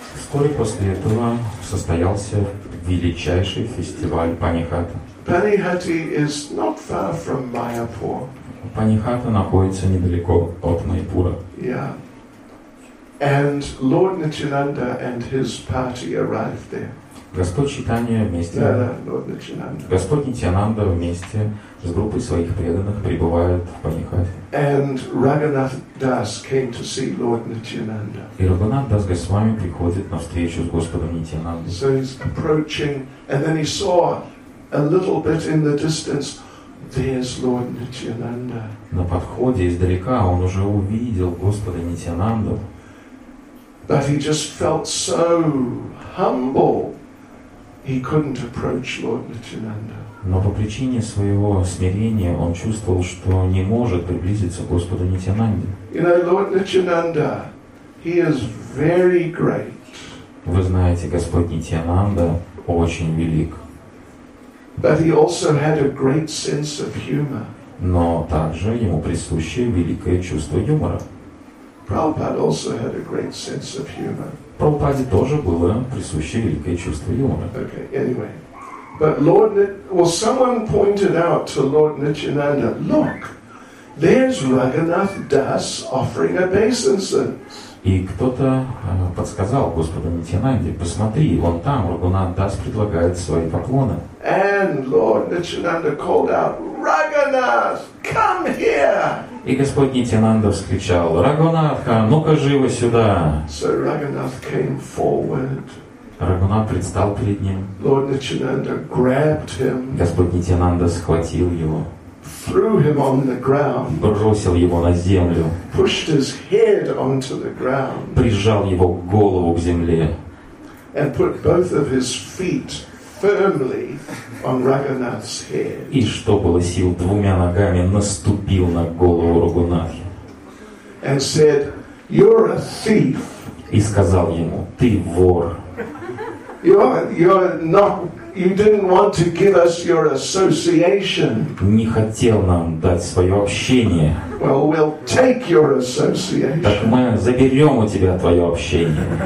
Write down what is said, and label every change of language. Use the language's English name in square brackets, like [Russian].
[Russian] Вскоре после этого состоялся величайший фестиваль Панихата. [English] Panihati is not far from Mayapur. [Russian] Панихата находится недалеко от Майпура. [English] Yeah. And Lord Nityananda and his party arrived there. [Russian] Господь Читания вместе. Господь Нитьянанда вместе с группой своих преданных прибывает в Панихати. [English] And Raghunath Das came to see Lord Nityananda. [Russian] И Рагунат Дас Госвами приходит на встречу с Господом Нитьянандой. [English] So he's approaching, and then he saw a little bit in the distance. There's Lord Nityananda. [Russian] На подходе издалека он уже увидел Господа Нитьянанду. [English] But he just felt so humble. He couldn't approach Lord Nityananda. [Russian] Но по причине своего смирения он чувствовал, что не может приблизиться к Господу Нитьянанде. [English] You know, Lord Nityananda, he is very great. [Russian] Вы знаете, Господь Нитьянанда очень велик. [English] But he also had a great sense of humor. [Russian] Но также ему присуще великое чувство юмора. [English] Prabhupada also had a great sense of humor. [Russian] Прабхупаде тоже было присуще великое чувство юмора. [English] Okay, anyway. But Lord, well, someone pointed out to Lord Nityananda, look, there's Raghunath Das offering obeisances. [Russian] И кто-то подсказал Господу Нитьянанде, посмотри, вон там Рагунат Дас предлагает свои поклоны. [English] And Lord Nityananda called out, Raghunath, come here! [Russian] И Господь Нитьянанда вскричал, Рагунатха, ну-ка живо сюда. [English] So Raghunath came forward. [Russian] Рагунат предстал перед ним. [English] Lord Nityananda grabbed him. [Russian] Господь Нитьянанда схватил его. [English] Threw him on the ground. [Russian] Бросил его на землю. [English] Pushed his head onto the ground. [Russian] Прижал его голову к земле. [English] And put both of his feet firmly on Raghunath's head. [Russian] И что было сил, двумя ногами наступил на голову Рагунатхи. [English] And said, "You're a thief." [Russian] И сказал ему, ты вор. [English] You didn't want to give us your association. [Russian] Не хотел нам дать свое общение. [English] Well, we'll take your association. [Russian] Так мы заберем у тебя твое общение.